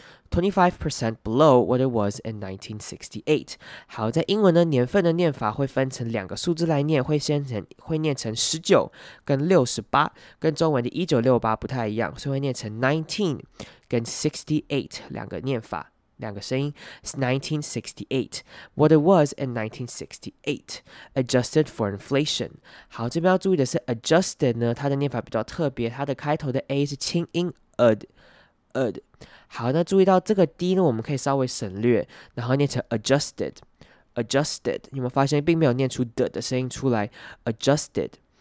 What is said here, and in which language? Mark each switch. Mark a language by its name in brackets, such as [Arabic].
[English] 25% below what it was in 1968. [Chinese] 好，在英文的年份的念法会分成两个数字来念，会念成19跟68，跟中文的1968不太一样，所以会念成19跟68两个念法，两个声音。 [English] 1968, what it was in 1968, adjusted for inflation. [Chinese] 好，这边要注意的是 adjusted 呢，它的念法比较特别，它的开头的 A 是轻音 ad。好，那注意到这个 D 呢，我们可以稍微省略，然后念成 adjusted， 你有没有发现并没有念出 d 的声音出来 adjusted。